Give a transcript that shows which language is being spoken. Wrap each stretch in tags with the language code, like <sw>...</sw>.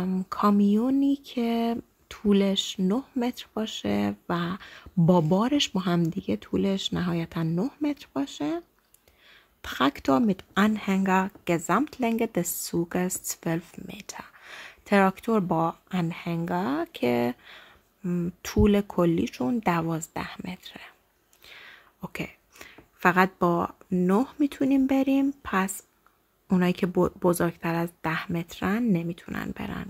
<fa>Kamionی که طولش 9 متر باشه و با بارش با هم دیگه طولش نهایتا 9 متر باشه.</fa> <de>Traktor mit Anhänger, Gesamtlänge des Zuges 12 Meter.</de> <fa>Traktor با Anhänger, که طول کلیشون 12 متره. اوکی. فقط با 9 میتونیم بریم، پس اونایی که بزرگتر از 10 مترن نمیتونن برن.</fa>